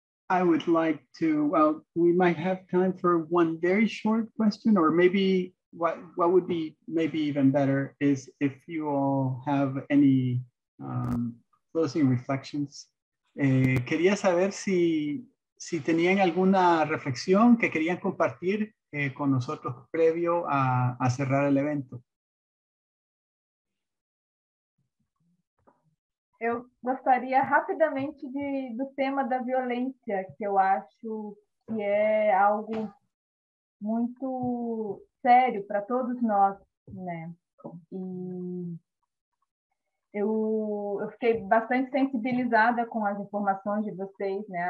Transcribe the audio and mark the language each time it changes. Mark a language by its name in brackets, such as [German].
[English] I would like to, well, we might have time for one very short question, or maybe what would be maybe even better is if you all have any closing reflections. [Spanish] Quería saber si tenían alguna reflexión que querían compartir con nosotros previo a cerrar el evento. [Portuguese] Eu gostaria rapidamente do tema da violência, que eu acho que é algo muito sério para todos nós, né? E eu fiquei bastante sensibilizada com as informações de vocês, né?